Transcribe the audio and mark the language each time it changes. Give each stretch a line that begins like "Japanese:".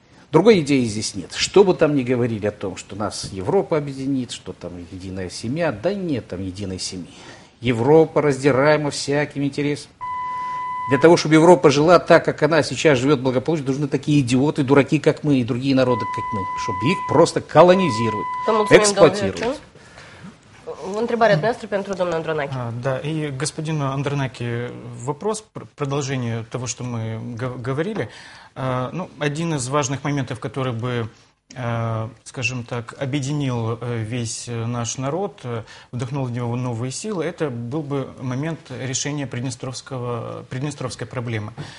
Russian: Другой идеи здесь нет. Что бы там ни говорили о том, что нас Европа объединит, что там единая семья, да нет там единой семьи. Европа раздираема всяким интересом. Для того, чтобы Европа жила так, как она сейчас живет благополучно, нужны такие идиоты, дураки, как мы, и другие народы, как мы, чтобы их просто колонизировать, эксплуатировать.
Romanian: Întrebarea dumneavoastră pentru domnul Андронаки.
Russian: Да, и господину Андронаки вопрос, продолжение того, что мы говорили. Ну, один из важных моментов, который бы, скажем так, объединил весь наш народ, вдохнул в него новые силы, это был бы момент решения приднестровской проблемы.